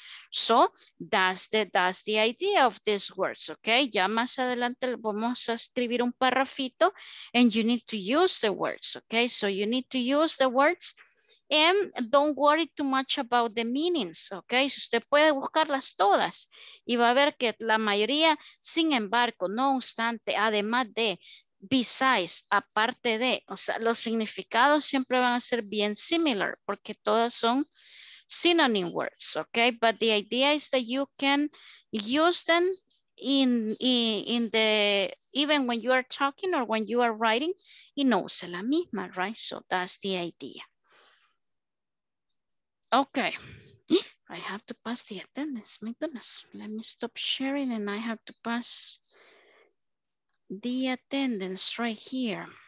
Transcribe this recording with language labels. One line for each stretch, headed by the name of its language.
English: So, that's the idea of these words, okay?
Spanish: Ya más adelante vamos a escribir un parrafito,
English: and you need to use the words, okay? So, you need to use the words, and don't worry too much about the meanings, okay?
Spanish: Si usted puede buscarlas todas y va a ver que la mayoría, sin embargo, no obstante, además de, besides, aparte de, o sea, los significados siempre van a ser bien similar porque todas son synonym words, okay?
English: But the idea is that you can use them in the, even when you are talking or when you are writing,
Spanish: y no use la misma,
English: right? So that's the idea. Okay, I have to pass the attendance. My goodness, let me stop sharing and I have to pass the attendance right here.